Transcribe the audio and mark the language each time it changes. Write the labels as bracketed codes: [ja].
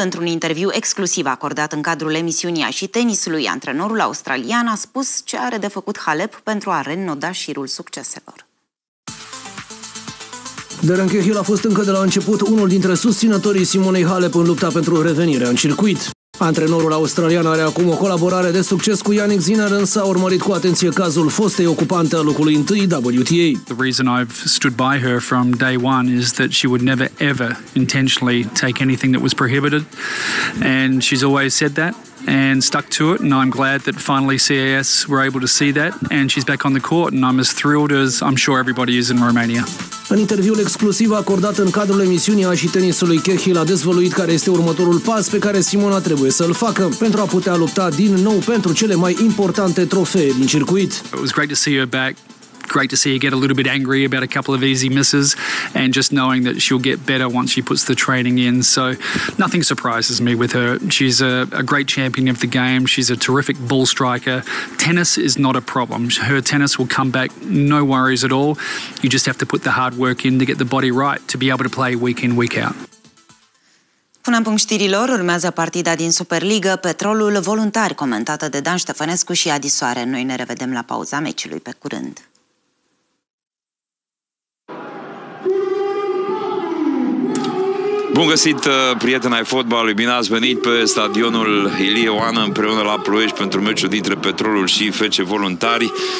[ro] Într-un interviu exclusiv acordat în cadrul emisiunii A și tenisului, antrenorul australian a spus ce are de făcut Halep pentru a reînnoda șirul succeselor. Darren Cahill a fost încă de la început unul dintre susținătorii Simonei Halep în lupta pentru revenirea în circuit. Antrenorul australian are acum o colaborare de succes cu Jannik Sinner, însă a urmărit cu atenție cazul fostei ocupante a locului întâi WTA. [en] The reason I've stood by her from day one is that she would never ever intentionally take anything that was prohibited, and she's always said that and stuck to it, and I'm glad that finally CAS were able to see that and she's back on the court, and I'm as thrilled as I'm sure everybody is in Romania. [ro] În interviul exclusiv acordat în cadrul emisiunii A și tenisului, Cahill a dezvăluit care este următorul pas pe care Simona trebuie să-l facă pentru a putea lupta din nou pentru cele mai importante trofee din circuit. [en] It was great to see her back. Great to see her get a little bit angry about a couple of easy misses and just knowing that she'll get better once she puts the training in. So nothing surprises me with her. She's a great champion of the game. She's a terrific ball striker. Tennis is not a problem. Her tennis will come back, no worries at all. You just have to put the hard work in to get the body right to be able to play week in, week out. [ro] Până în punct știrilor, urmează partida din Superliga, Petrolul Voluntari, comentată de Dan Ștefănescu și Adi Soare. Noi ne revedem la pauza meciului pe curând. Bun găsit, prieteni ai fotbalului, bine ați venit pe stadionul Ilie Oană împreună la Ploiești pentru meciul dintre Petrolul și FC Voluntari.